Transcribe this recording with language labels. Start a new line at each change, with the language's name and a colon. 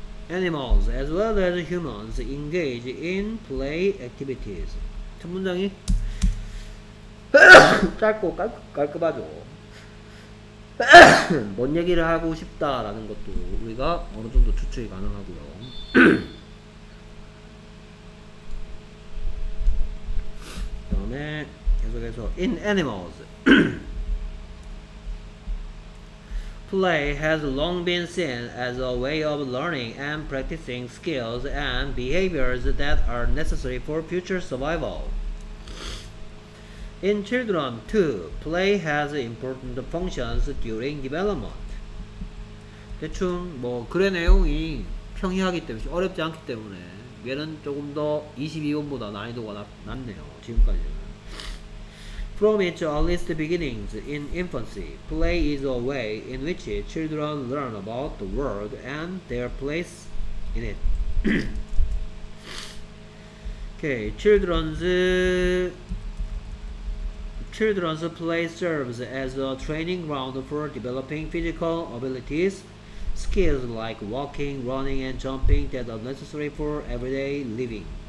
English: 애니멀스 as well as humans engage in play activities.
Korean: 첫 문장이 짧고 깔끔하죠. 뭔 얘기를 하고 싶다라는 것도 우리가 어느 정도 추측이 가능하고요.
English: 그다음에 계속해서 in animals play has long been seen as a way of learning and practicing skills and behaviors that are necessary for future survival. In children, too, play has important functions during development.
Korean: 대충 뭐 글의 내용이 평이하기 때문에 어렵지 않기 때문에 얘는 조금 더 22번보다 난이도가 낮네요. 지금까지는.
English: From its earliest beginnings in infancy, play is a way in which children learn about the world and their place in it. Okay, children's play serves as a training ground for developing physical abilities, skills like walking, running, and jumping that are necessary for everyday living.